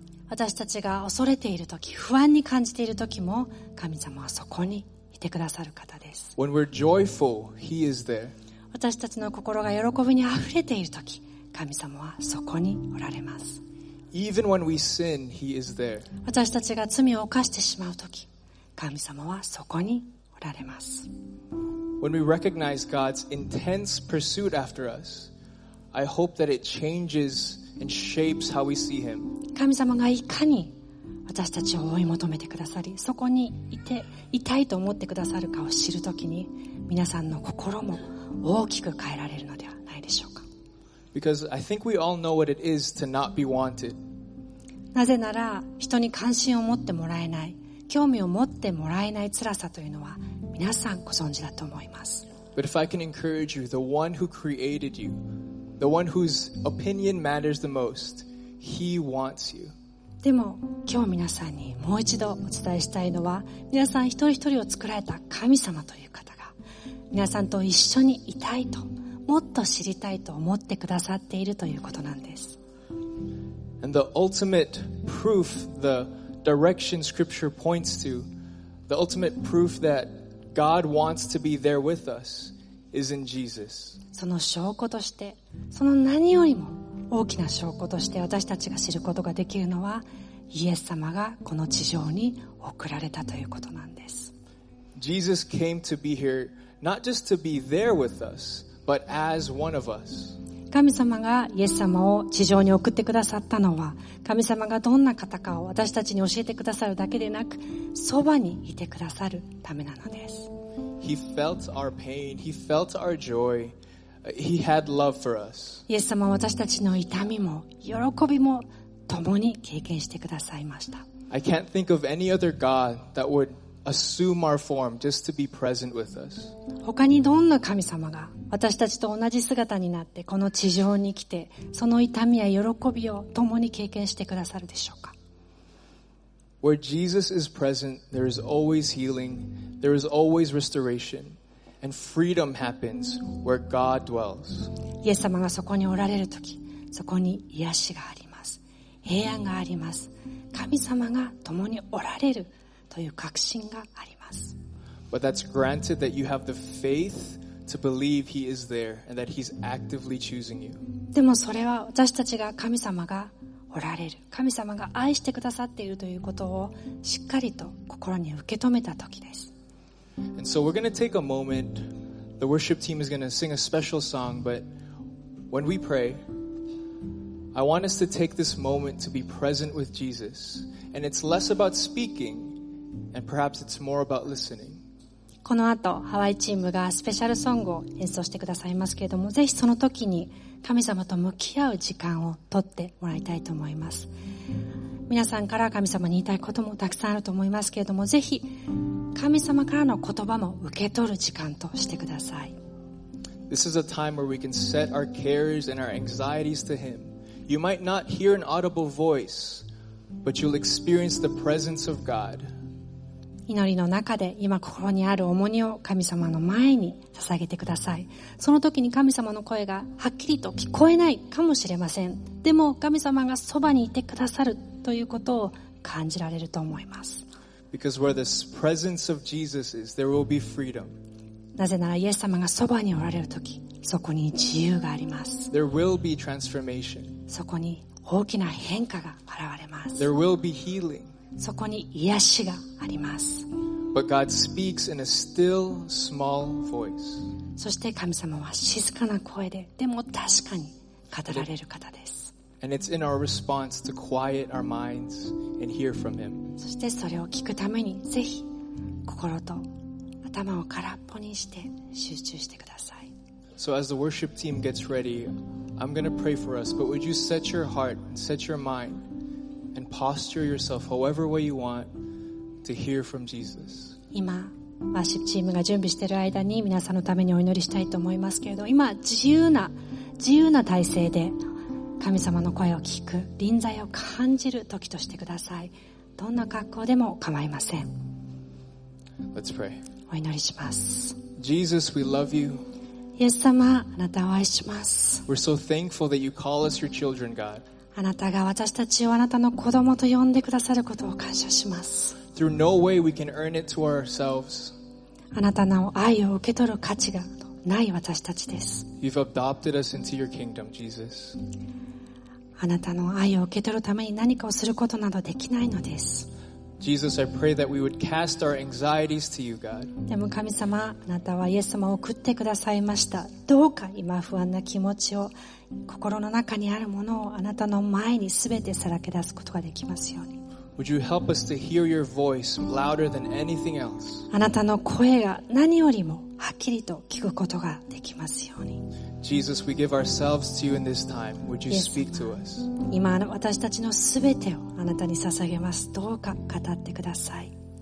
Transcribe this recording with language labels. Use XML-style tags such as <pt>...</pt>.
<ja>私たちが恐れている時、不安に感じている時も、神様はそこにいてくださる方です。</ja> <en>When we're joyful, He is there.</en> <ja>私たちの心が喜びにあふれている時、神様はそこにおられます。</ja> <en>Even when we sin, He is there.</en> <ja>私たちが罪を犯してしまう時、神様はそこにおられます。</ja> <en>When we recognize God's intense pursuit after us, I hope that it changes and shapes how we see Him.</en> <ja>神様がいかに私たちを追い求めてくださり、そこにいて、いたいと思ってくださるかを知るときに、皆さんの心も大きく変えられるのではないでしょうか。</ja> <en>Because I think we all know what it is to not be wanted.</en> <ja>なぜなら、人に関心を持ってもらえない、興味を持ってもらえない辛さというのは皆さんご存知だと思います。</ja> <en>But if I can encourage you, the one who created you, the one whose opinion matters the most, He wants you.</en> <ja>でも今日皆さんにもう一度お伝えしたいのは、皆さん一人一人を作られた神様という方が皆さんと一緒にいたいと、もっと知りたいと思ってくださっているということなんです。</ja> <en>And the ultimate proof, the direction scripture points to, the ultimate proof that God wants to be there with us is in Jesus.</en> <ja>その証拠として、その何よりも大きな証拠として私たちが知ることができるのは、イエス様がこの地上に送られたということなんです。</ja> <en>Jesus came to be here, not just to be there with us, but as one of us.</en> <ja>神様がイエス様を地上に送ってくださったのは、神様がどんな方かを私たちに教えてくださるだけでなく、そばにいてくださるためなのです。</ja> <en>He felt our pain, he felt our joy. He had love for us.</en> <ja>イエス様は私たちの痛みも喜びも共に経験してくださいました。</ja> <en>I can't think of any other God that would assume our form just to be present with us.</en> <ja>他にどんな神様が私たちと同じ姿になってこの地上に来て、その痛みや喜びを共に経験してくださるでしょうか。</ja> <en>Where Jesus is present, there is always healing, there is always restoration, and freedom happens where God dwells.</en> <ja>イエス様がそこにおられるとき、そこに癒しがあります。平安があります。神様が共におられるという確信があります。</ja> <en>But that's granted that you have the faith to believe He is there and that He's actively choosing you.</en> <ja>でもそれは私たちが神様がおられる、神様が愛してくださっているということをしっかりと心に受け止めたときです。</ja> <en>And so we're going to take a moment. The worship team is going to sing a special song, but when we pray,I want us to take this moment to be present with Jesus. And it's less about speaking, and perhaps it's more about listening.</en> <ja>この後、ハワイチームがスペシャルソングを演奏してくださいますけれども、ぜひその時に神様と向き合う時間を取ってもらいたいと思います。皆さんから神様に言いたいこともたくさんあると思いますけれども、ぜひ神様からの言葉も受け取る時間としてください。</ja> <en>This is a time where we can set our cares and our anxieties to Him. You might not hear an audible voice, but you'll experience the presence of God.</en> <ja>祈りの中で今心にある重荷を神様の前に捧げてください。その時に神様の声がはっきりと聞こえないかもしれません。でも神様がそばにいてくださるということを感じられると思います。</ja> <en>Because where the presence of Jesus is, there will be freedom.</en> <ja>なぜならイエス様がそばにおられる時、そこに自由があります。</ja> <en>There will be transformation.</en> <ja>そこに大きな変化が現れます。</ja> <en>There will be healing.</en> <ja>そこに癒しがあります。</ja> <en>But God speaks in a still, small voice.</en> <ja>そして神様は静かな声で、でも確かに語られる方です。</ja> <en>And it's in our response to quiet our minds and hear from Him.</en> <ja>そしてそれを聞くために、ぜひ心と頭を空っぽにして集中してください。</ja> <en>So as the worship team gets ready,I'm going to pray for us, but would you set your heart, set your mind, and posture yourself however way you want to hear from Jesus.</en> <ja>今、ワーシップチームが準備している間に皆さんのためにお祈りしたいと思いますけれど、今、自由な体制で神様の声を聞く、臨在を感じる時としてください。どんな格好でも構いません。</ja> <en>Let's pray.</en> <ja>お祈りします。</ja> <en>Jesus, we love you.</en> <ja>イエス様、あなたを愛します。</ja> <en>We're so thankful that you call us your children, God.</en> <ja>あなたが私たちをあなたの子供と呼んでくださることを感謝します。</ja> <en>Through no way we can earn it to ourselves.</en> <ja>あなたの愛を受け取る価値がない私たちです。</ja> <en>You've adopted us into your kingdom, Jesus.</en> <ja>あなたの愛を受け取るために何かをすることなどできないのです。</ja> <en>Jesus, I pray that we would cast our anxieties to you, God.</en> <ja>でも神様、あなたはイエス様を送ってくださいました。どうか今不安な気持ちを、心の中にあるものをあなたの前にすべてさらけ出すことができますように。</ja> <en>Would you help us to hear your voice louder than anything else?</en> <ja>あなたの声が何よりもはっきりと聞くことができますように。</ja> <en>Jesus, we give ourselves to you in this time. Would you speak to us?</en> <ja>今私たちのすべてをあなたに捧げます。どうか語ってください。</ja>